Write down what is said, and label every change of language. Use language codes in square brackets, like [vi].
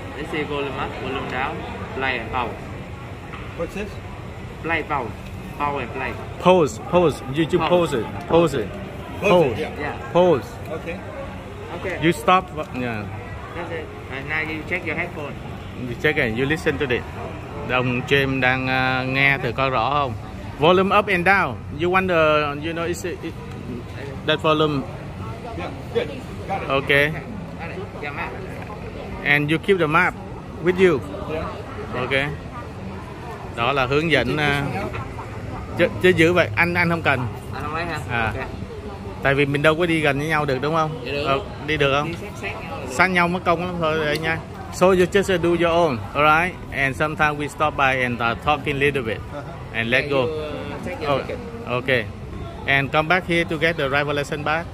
[en] Let's say volume up, volume down, play and pause. What's this? Play, pause. Pause and play. Pause. You pause it. Pause it. Yeah. Pause. Okay. You stop. Yeah. That's it. And now you check your headphone. You check it. You listen to it. [vi] Đồng James đang nghe thử coi rõ không? [en] Volume up and down. You wonder, you know, is it that volume? Yeah, good. Got it. Okay. Got it. Yeah, Matt. And you keep the map with you. Yeah. Okay. [vi] Đó là hướng dẫn chứ giữ vậy anh không cần. Anh không lấy hả? [en] À. Okay. [vi] Tại vì mình đâu có đi gần với nhau được đúng không? Được. Đi được không? Sát nhau mất công lắm thôi đấy nha. [en] So you just do your own, alright? And sometimes we stop by and talking a little bit and let go. Oh. Okay. And come back here to get the driver license back.